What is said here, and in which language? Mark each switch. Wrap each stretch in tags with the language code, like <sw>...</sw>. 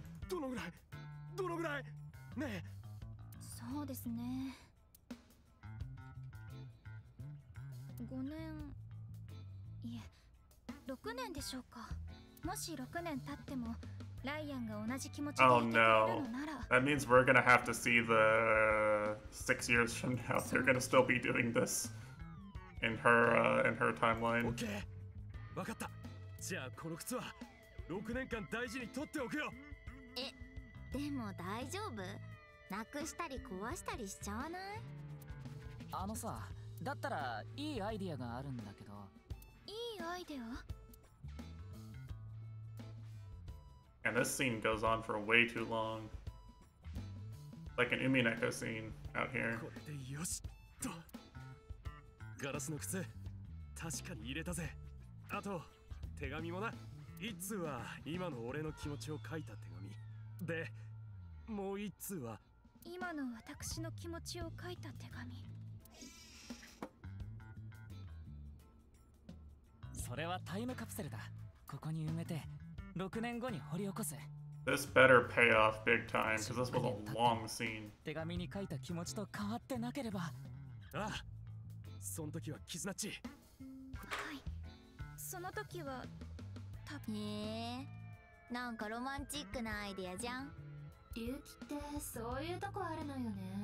<ja>どのぐらいねえ。そうですね、5年、いえ6年でしょうか。もし6年経ってもライアンが同じ気持ちでいてくれるのなら、</ja> <en>That means we're gonna have to see the 6 years from now. They're gonna still be doing this in her timeline.</en> <ja>OK、 わかった。じゃあこの靴は6年間大事に取っておくよ。でも大丈夫？なくしたり壊したりしちゃわない？あのさ、だったらいいアイディアがあるんだけど。いいアイディア？</ja> <en>And this scene goes on for way too long. Like an Umineko scene out here.</en> <ja>これでよしと。ガラスの靴、確かに入れたぜ。あと、手紙もな。いつは今の俺の気持ちを書いた手紙。で、もう一通は。今の私の気持ちを書いた手紙。それはタイムカプセルだ。ここに埋めて、6年後に掘り起こす。</ja> <en>This better pay off big time, because this was a long scene.</en> <ja>手紙に書いた気持ちと変わってなければ。ああ、そん時はキズナチ。はい、その時は、たぶん。なんかロマンチックなアイディアじゃん。龍騎ってそういうとこあるのよね。</ja>